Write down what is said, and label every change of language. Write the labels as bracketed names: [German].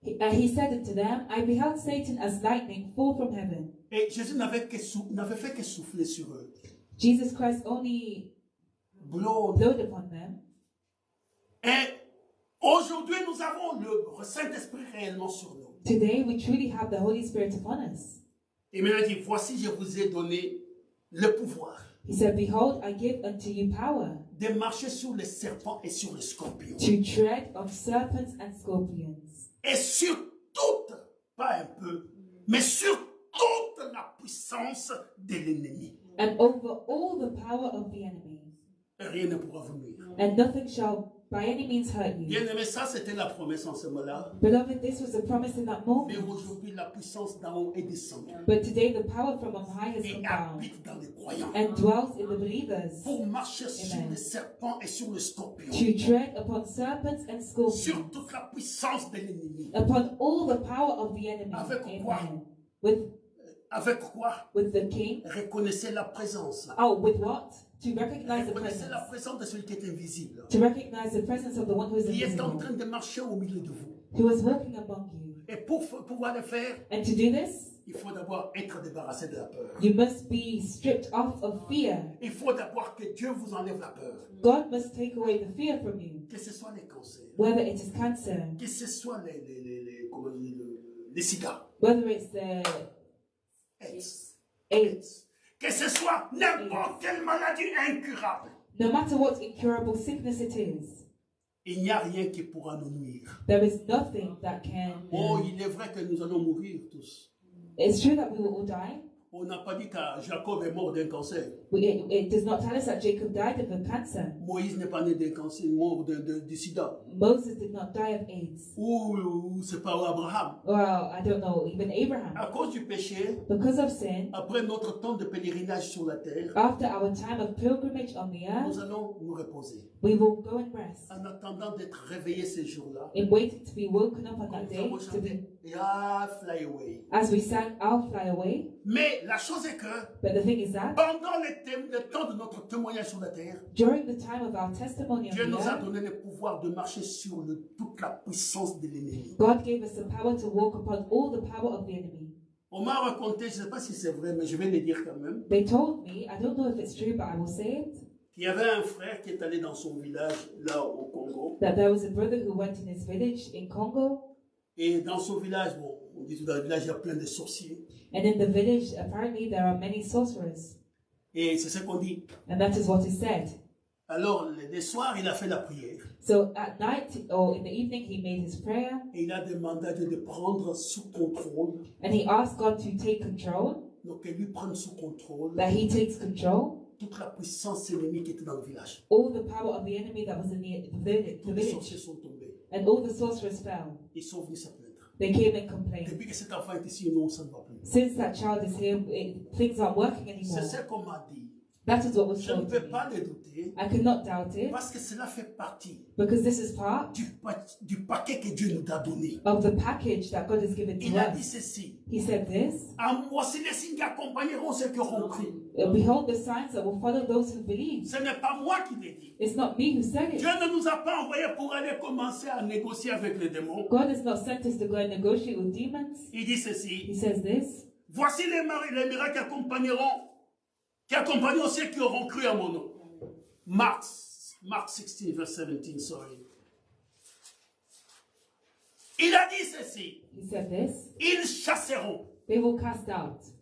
[English] He said unto them, I beheld Satan as lightning fall from heaven. [French] Et Jésus n'avait fait que souffler sur eux. [English] Jesus Christ only blowed upon them. [French] Et aujourd'hui nous avons le Saint-Esprit réellement sur nous. [English] Today we truly have the Holy Spirit upon us. [French] Et il m'a dit, voici, je vous ai donné le pouvoir. [English] He said, behold, I give unto you power. [French] De marcher sur les serpents et sur les scorpions. [English] To tread on serpents and scorpions. [French] Et sur toute, pas un peu, mais sur toute la puissance de l'ennemi. [English] And over all the power of the enemy. [French] Et rien ne pourra vous nuire. [English] And nothing shall by any means hurt you. [French] Bien aimé, ça c'était la promesse en ce moment-là. [English] Beloved, this was a promise in that moment. [French] Mais aujourd'hui, la puissance d'en haut est descendue. [English] But today, the power from on high has come down. [French] Et habite dans les croyants. [English] And dwells in the believers. [French] Pour marcher Amen. Sur les serpents et sur les scorpions. [English] To tread upon serpents and scorpions. [French] Sur toute la puissance de l'ennemi. [English] Upon all the power of the enemy. [French] Avec Amen. Quoi? Avec quoi? [English] With the king. [French] Reconnaissez la présence. [English] Oh, with what? To recognize the presence. [French] La présence de celui qui est invisible. [English] To recognize the presence of the one who is [French] il [English] invisible. [French] Il est en train de marcher au milieu de vous. [English] He was working among you. [French] Et pour pouvoir le faire. [English] And to do this. [French] Il faut d'abord être débarrassé de la peur. [English] You must be stripped off of fear. [French] Il faut d'abord que Dieu vous enlève la peur. [English] God must take away the fear from you. [French] Que ce soit les cancers. [English] Whether it is cancer. [French] Que ce soit les sida. [English] Whether it's the [French] AIDS. Que ce soit n'importe quelle maladie incurable. [English] No matter what incurable sickness it is. [French] Il n'y a rien qui pourra nous nuire. [English] There is nothing that can. [French] Oh, il est vrai que nous allons mourir tous. [English] It's true that we will all die. [French] On n'a pas dit que Jacob est mort d'un cancer. [English] It does not tell us that Jacob died of a cancer. [French] Moïse n'est pas né d'un cancer, mort de sida. [English] Moses did not die of AIDS. [French] Ou c'est pas Abraham. [English] Well, I don't know, even Abraham. [French] À cause du péché. [English] Because of sin. [French] Après notre temps de pèlerinage sur la terre. [English] After our time of pilgrimage on the earth. [French] Nous allons nous reposer. [English] We will go and rest. [French] En attendant d'être réveillé ces jours-là. [English] In waiting to be woken up on that day. Fly away. As we sang, I'll fly away. [French] Mais la chose est que, [English] but the thing is that, [French] pendant le temps de notre témoignage sur la terre, [English] during the time of our testimony, [French] Dieu nous a donné le pouvoir de marcher sur toute la puissance de l'ennemi. [English] God gave us the power to walk upon all the power of the enemy. [French] On m'a raconté, je ne sais pas si c'est vrai, mais je vais le dire quand même. [English] They told me, I don't know if it's true, but I will say it. [French] Il y avait un frère qui est allé dans son village là au Congo. [English] That there was a brother who went in his village in Congo. [French] Et dans son village, bon, on dit dans le village, il y a plein de sorciers. [English] And in the village, apparently, there are many sorcerers. [French] Et c'est ce qu'on dit. [English] And that is what is said. [French] Alors, le soir, il a fait la prière. [English] So, at night, or in the evening, he made his prayer. [French] Et il a demandé à Dieu de prendre sous contrôle. [English] And he asked God to take control. [French] Donc, qu'il lui prenne sous contrôle. [English] That he takes control. [French] Toute la puissance ennemie qui était dans le village. [English] All the power of the enemy that was in the village. [French] Tous les sorciers sont tombés. [English] And all the sorcerers fell. [French] Ils sont venus s'appeler. [English] They came and complained. [French] Depuis que cet enfant est ici, non, ça ne va plus. [English] Since that child is here, things aren't working anymore. [French] C'est ce qu'on m'a dit. [English] That is what was [French] je [English] told [French] ne peux [English] me. [French] Pas le douter. [English] I cannot doubt it. [French] Parce que cela fait partie. [English] Because this is part. [French] Du paquet que Dieu nous a donné. [English] Of the package that God has given to [French] il [English] us. [French] Il a dit ceci. [English] He said this. [French] À moi, c'est les signes qui accompagneront ceux qui auront cru. [English] Behold the signs that will follow those who believe. [French] Ce n'est pas moi qui l'ai dit. [English] It's not me who said it. [French] Dieu ne nous a pas envoyé pour aller commencer à négocier avec les démons. [English] God has not sent us to go and negotiate with demons. [French] Il dit ceci. [English] He says this. [French] Voici les miracles qui accompagneront. Qui accompagneront ceux qui auront cru à mon nom. [English] Mark 16, verse 17, sorry. [French] Il a dit ceci. [English] He said this. [French] Ils chasseront. [English] They will cast out.